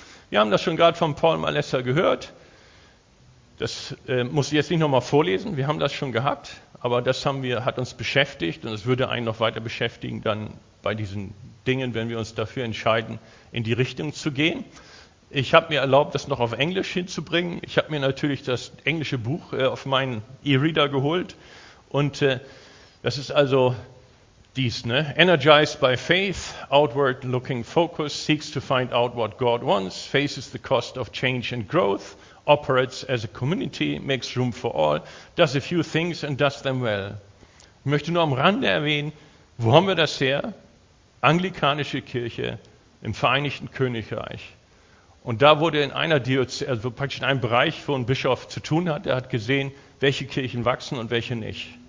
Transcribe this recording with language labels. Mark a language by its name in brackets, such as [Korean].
[German] Wir haben das schon gerade von Paul Malesser gehört. Das muss ich jetzt nicht nochmal vorlesen, wir haben das schon gehabt, aber das hat uns beschäftigt und es würde einen noch weiter beschäftigen dann bei diesen Dingen, wenn wir uns dafür entscheiden, in die Richtung zu gehen. Ich habe mir erlaubt, das noch auf Englisch hinzubringen. Ich habe mir natürlich das englische Buch auf meinen E-Reader geholt. Und das ist also dies, ne? [English] Energized by faith, outward looking focus seeks to find out what God wants, faces the cost of change and growth, operates as a community, makes room for all, does a few things and does them well. [German] Ich möchte nur am Rande erwähnen, wo haben wir das her? Anglikanische Kirche im Vereinigten Königreich. Und da wurde in einer Diözese, also praktisch in einem Bereich, wo ein Bischof zu tun hat, er hat gesehen, welche Kirchen wachsen und welche nicht.